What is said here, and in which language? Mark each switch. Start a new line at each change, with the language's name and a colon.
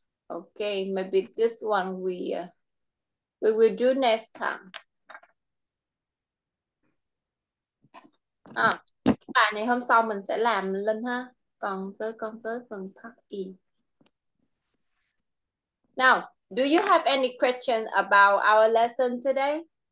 English: Okay, maybe this one we will do next time.
Vietnamese: À, bài này hôm sau mình sẽ làm lên ha. Còn tới con tới phần part E.
English: Now, do you have any question about our lesson today?